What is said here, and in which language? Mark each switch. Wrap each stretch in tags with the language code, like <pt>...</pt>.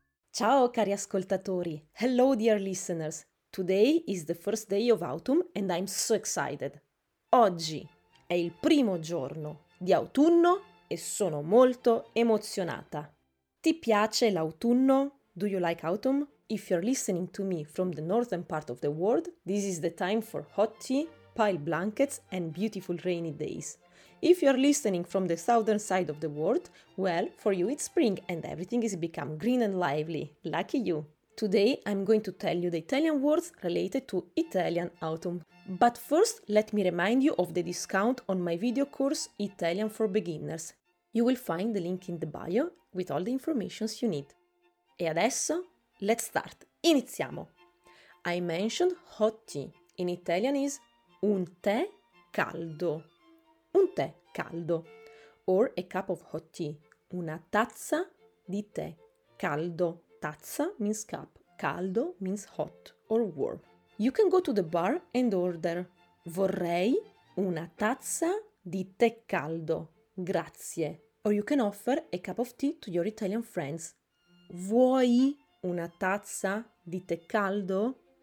<it>Ciao cari ascoltatori!</it> <en>Hello dear listeners! Today is the first day of autumn and I'm so excited!</en> <it>Oggi è il primo giorno di autunno e sono molto emozionata! Ti piace l'autunno?</it> <en>Do you like autumn? If you're listening to me from the northern part of the world, this is the time for hot tea, pile blankets and beautiful rainy days. If you're listening from the southern side of the world, well, for you it's spring and everything is become green and lively. Lucky you! Today I'm going to tell you the Italian words related to Italian autumn. But first, let me remind you of the discount on my video course Italian for Beginners. You will find the link in the bio with all the informations you need.</en> <it>E adesso,</it> <en>let's start!</en> <it>Iniziamo!</it> <en>I mentioned hot tea. In Italian is</en> <it>un tè caldo. Un tè caldo,</it> <en>or a cup of hot tea,</en> <it>una tazza di tè caldo.</it> <en>Tazza means cup, caldo means hot or warm. You can go to the bar and order.</en> <it>Vorrei una tazza di tè caldo, grazie.</it> <en>Or you can offer a cup of tea to your Italian friends.</en> <it>Vuoi una tazza di tè caldo?</it>